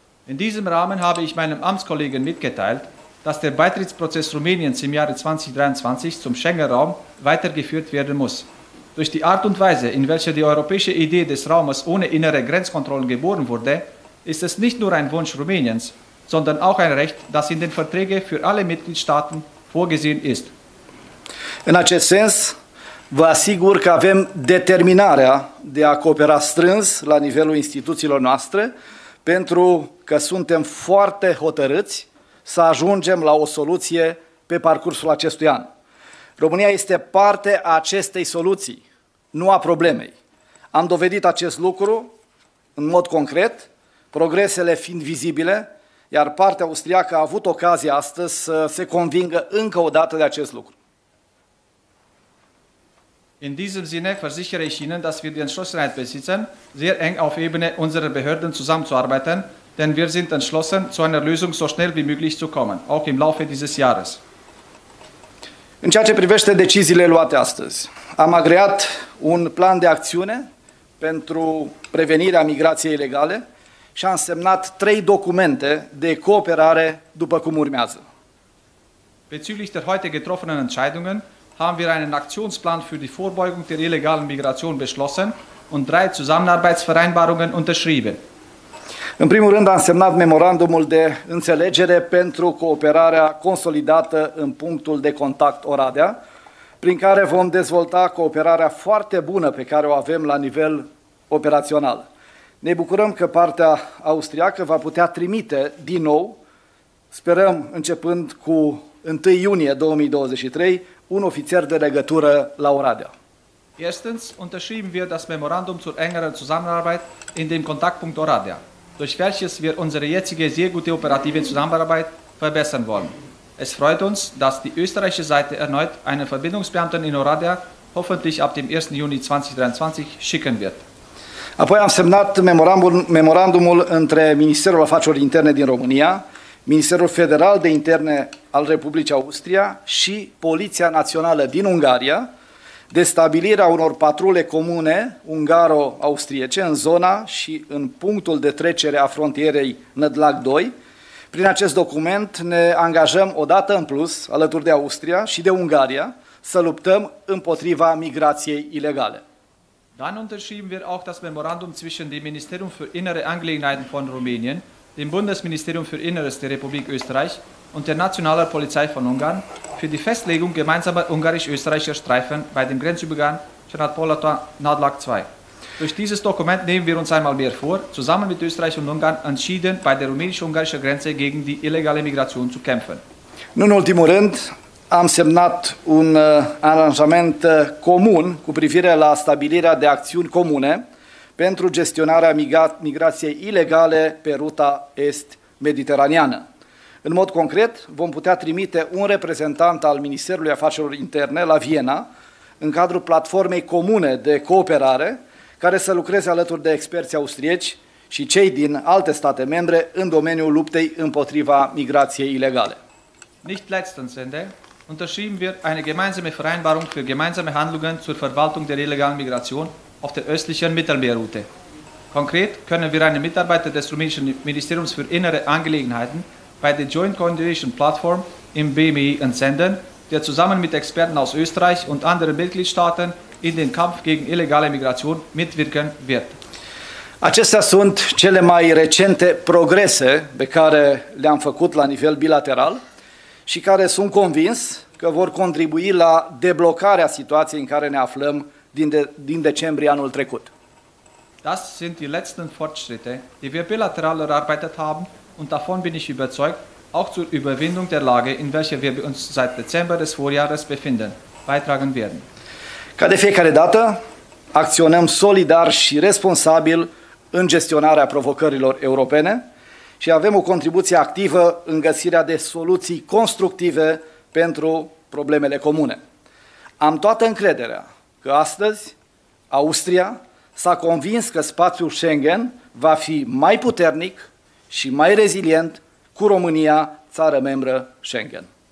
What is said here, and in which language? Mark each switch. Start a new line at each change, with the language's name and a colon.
German: In diesem Rahmen habe ich meinem Amtskollegen mitgeteilt, dass der Beitrittsprozess Rumäniens im Jahre 2023 zum Schengen-Raum weitergeführt werden muss. Durch die Art und Weise, in welcher die europäische Idee des Raumes ohne innere Grenzkontrollen geboren wurde, ist es nicht nur ein Wunsch Rumäniens, sondern auch ein Recht, das in den Verträgen für alle Mitgliedstaaten vorgesehen ist.
Romanian: In acest sens, vă asigur că avem determinarea de a coopera strâns la nivelul instituțiilor noastre, pentru că suntem foarte hotărâți să ajungem la o soluție pe parcursul acestui an. România este parte a acestei soluții, nu a problemei. Am dovedit acest lucru în mod concret, progresele fiind vizibile, iar partea austriacă a avut ocazia astăzi să se convingă încă o dată de acest lucru.
German: In diesem Sinne versichere ich Ihnen, dass wir die Entschlossenheit besitzen, sehr eng auf Ebene unserer Behörden zusammenzuarbeiten, denn wir sind entschlossen, zu einer Lösung so schnell wie möglich zu kommen, auch im Laufe dieses Jahres.
Romanian: În ceea ce privește deciziile luate astăzi, am agreat un plan de acțiune pentru prevenirea migrației ilegale și am semnat 3 documente de cooperare după cum urmează.
German: Bezüglich der heute getroffenen Entscheidungen haben wir einen Aktionsplan für die Vorbeugung der illegalen Migration beschlossen und 3 Zusammenarbeitsvereinbarungen unterschrieben.
Romanian: În primul rând, am semnat memorandumul de înțelegere pentru cooperarea consolidată în punctul de contact Oradea, prin care vom dezvolta cooperarea foarte bună pe care o avem la nivel operațional. Ne bucurăm că partea austriacă va putea trimite din nou, sperăm începând cu 1 iunie 2023, un ofițer de legătură la Oradea.
German: Erstens unterschrieben wir das Memorandum zur engeren Zusammenarbeit in dem Kontaktpunkt Oradea, durch welches wir unsere jetzige sehr gute operative Zusammenarbeit verbessern wollen. Es freut uns, dass die österreichische Seite erneut einen Verbindungsbeamten in Oradea hoffentlich ab dem 1. Juni 2023 schicken wird.
Romanian: Apoi am semnat memorandumul între Ministerul Afacerilor Interne din România, Ministerul Federal de Interne al Republicii Austria și Poliția Națională din Ungaria de stabilirea unor patrule comune ungaro-austriece în zona și în punctul de trecere a frontierei Nădlac 2. Prin acest document ne angajăm o dată în plus, alături de Austria și de Ungaria, să luptăm împotriva migrației ilegale.
German: Dann unterschrieben wir auch das Memorandum zwischen dem Ministerium für Innere Angelegenheiten von Rumänien, dem Bundesministerium für Inneres der Republik Österreich und der Nationalen Polizei von Ungarn für die Festlegung gemeinsamer ungarisch-österreichischer Streifen bei dem Grenzübergang Csanádpalota-Nádlac 2. Durch dieses Dokument nehmen wir uns einmal mehr vor, zusammen mit Österreich und Ungarn entschieden, bei der rumänisch-ungarischen Grenze gegen die illegale Migration zu kämpfen.
Romanian: Nun, ultimul rând, am semnat un aranjament comun cu privire la stabilirea de acțiuni comune pentru gestionarea migrației ilegale pe ruta est-mediteraneană. În mod concret, vom putea trimite un reprezentant al Ministerului Afacerilor Interne la Viena în cadrul platformei comune de cooperare care să lucreze alături de experți austrieci și cei din alte state membre în domeniul luptei împotriva migrației ilegale.
German: Nicht letztens, Ende. Unterschrieben wir eine gemeinsame Vereinbarung für gemeinsame Handlungen zur Verwaltung der illegalen Migration auf der östlichen Mittelmeerroute. Konkret können wir einen Mitarbeiter des rumänischen Ministeriums für Innere Angelegenheiten bei der Joint Coordination Platform im BMI entsenden, der zusammen mit Experten aus Österreich und anderen Mitgliedstaaten in den Kampf gegen illegale Migration mitwirken wird.
Romanian: Acestea sunt cele mai recente progrese pe care le-am făcut la nivel bilateral și care sunt convins că vor contribui la deblocarea situației în care ne aflăm din decembrie anul trecut.
German: Das sind die letzten Fortschritte, die wir bilateral erarbeitet haben und davon bin ich überzeugt, auch zur Überwindung der Lage, in welcher wir uns seit Dezember des Vorjahres befinden, beitragen werden.
Romanian: Ca de fiecare dată, acționăm solidar și responsabil în gestionarea provocărilor europene și avem o contribuție activă în găsirea de soluții constructive pentru problemele comune. Am toată încrederea că astăzi Austria s-a convins că spațiul Schengen va fi mai puternic și mai rezilient cu România, țară membră Schengen.